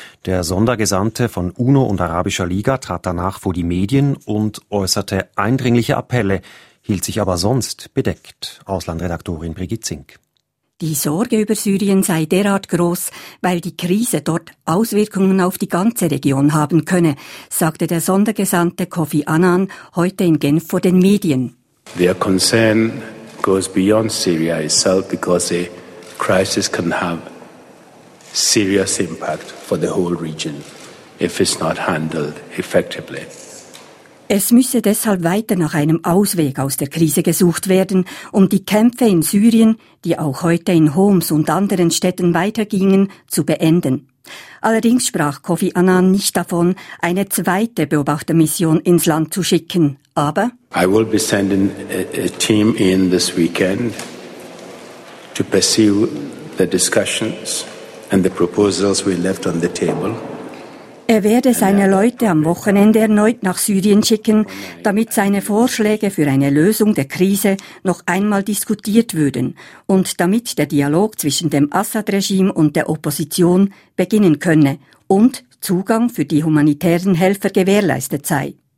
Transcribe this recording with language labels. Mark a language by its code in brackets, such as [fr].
[de] Der Sondergesandte von UNO und Arabischer Liga trat danach vor die Medien und äußerte eindringliche Appelle, hielt sich aber sonst bedeckt. Auslandredaktorin Brigitte Zink. Die Sorge über Syrien sei derart groß, weil die Krise dort Auswirkungen auf die ganze Region haben könne, sagte der Sondergesandte Kofi Annan heute in Genf vor den Medien. [en] Their concern goes beyond Syria itself because a crisis can have serious impact for the whole region if it's not handled effectively. [de] Es müsse deshalb weiter nach einem Ausweg aus der Krise gesucht werden, um die Kämpfe in Syrien, die auch heute in Homs und anderen Städten weitergingen, zu beenden. Allerdings sprach Kofi Annan nicht davon, eine zweite Beobachtermission ins Land zu schicken, aber [en] I will be sending a team in this weekend to pursue the discussions and the proposals we left on the table. [de] Er werde seine Leute am Wochenende erneut nach Syrien schicken, damit seine Vorschläge für eine Lösung der Krise noch einmal diskutiert würden und damit der Dialog zwischen dem Assad-Regime und der Opposition beginnen könne und Zugang für die humanitären Helfer gewährleistet sei.